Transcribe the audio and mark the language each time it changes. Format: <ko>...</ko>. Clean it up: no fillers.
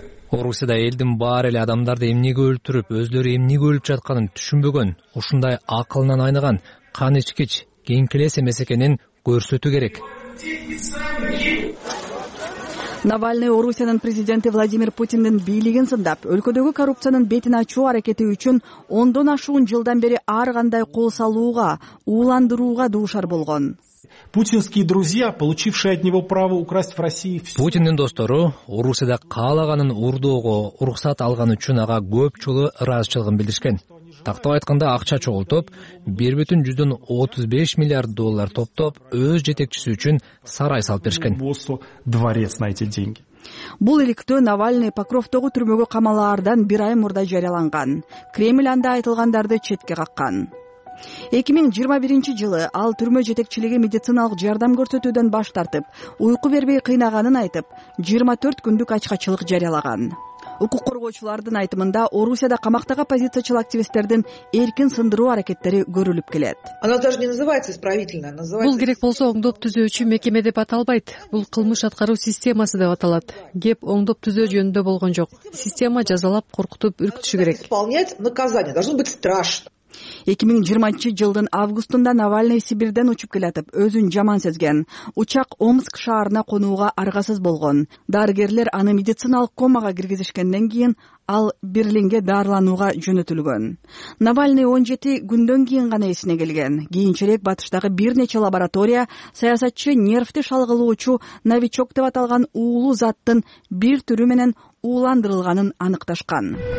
<ky>Орусияда элдин баары эле адамдарды эмнеге өлтүрүп, өзлөрү эмнеге өлүп жатканын түшүнбөгөн, ушундай акылынан айныган, кан ичкич, кеңкелес эмес экенин көрсөтүү керек. Навальный Орусиянын президенти Владимир Путиндин бийлигин сындап, өлкөдөгү коррупциянын бетин ачуу аракети үчүн 10 ашуун жылдан бери ар кандай кол салууга, ууландырууга дуушар болгон.</ky> <ru>Путинские друзья, получившие от него право украсть в России.</ru> <ky>Путиндин достору Орусияда каалаганын урдоого уруксат алган үчүн ага көп жолу ыраазычылыгын билдиришкен. Тактап айтканда, акча чогултуп, 1,35 миллиард доллар топтоп, өз жетекчиси үчүн сарай салып беришкен. Бул иликтөө Навальный Покровтогу түрмөгө камалаардан бир ай мурда жарыяланган. Кремль анда айтылгандарды четке каккан. 2021 жылы ал түрмө жетекчилиги медициналык жардам көрсөтүүдөн баш тартып, уйку бербей кыйнаганын айтып, 24 күндүк ачкачылык жарыялаган. Укук коргоочулардын айтымында Орусияда камактагы оппозициячыл активисттердин эркин сындыруу аракеттери көрүлүп келет.</ky> <ru>Она даже не называется исправительная, называется.</ru> <ky>Бул керек болсо оңдоп түзөөчү мекеме деп аталбайт. Бул кылмыш аткаруу системасы деп аталат. Кеп оңдоп түзөө жөнүндө болгон жок. Система жазалап, коркутуп, үркүтүшү керек.</ky> <ru>Исполнять наказание должно быть страшно.</ru> <ky>2020 жылдын августунда Навальный Сибирден учуп келатып, өзүн жаман сезген. Учак Омск шаарына конууга аргасыз болгон. Дарыгерлер аны медициналык комага киргизишкенден кийин ал Берлинге дарыланууга жөнөтүлгөн. Навальный 17 күндөн кийин гана эсине келген. Кийинчерээк батыштагы бир нече лаборатория саясатчы нервти шалгылоочу новичок деп аталган уулуу заттын бир түрү менен ууландырылганын аныкташкан.</ky>